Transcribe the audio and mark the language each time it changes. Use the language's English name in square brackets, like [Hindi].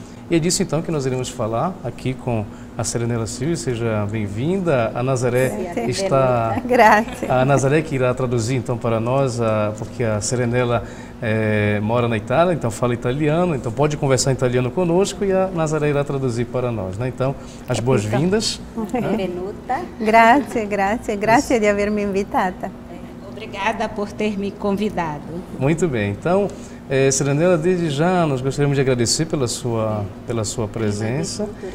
[Portuguese] E é disso então que nós iremos falar aqui com a Serenella Silvi. Seja bem-vinda. A Nazaré está. A Nazaré que irá traduzir então para nós, porque a Serenella mora na Itália, então fala italiano, então pode conversar italiano conosco e a Nazaré irá traduzir para nós, né? Então, as boas-vindas. [Italian] Grazie, grazie, grazie di avermi invitata. [Portuguese] Obrigada por ter me convidado. Muito bem. Então, Serenella, desde já nós gostaríamos de agradecer pela sua presença.